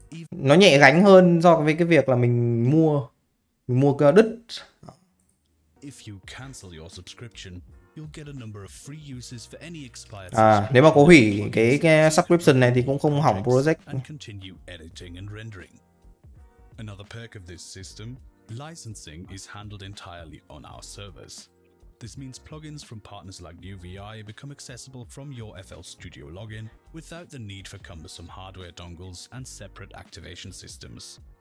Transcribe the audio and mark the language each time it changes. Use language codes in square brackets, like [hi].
[vi] Nó nhẹ gánh hơn do với cái việc là mình mua cái đứt. [en] If you cancel your subscription, you'll get a number of free uses for any expired. [vi] À, nếu mà có hủy cái subscription này thì cũng không hỏng project. [en] And continue editing and rendering. Another perk of this system, licensing is handled entirely on our servers. This means plugins from partners like NewVI become accessible from your FL Studio login without the need for cumbersome hardware dongles and separate activation systems.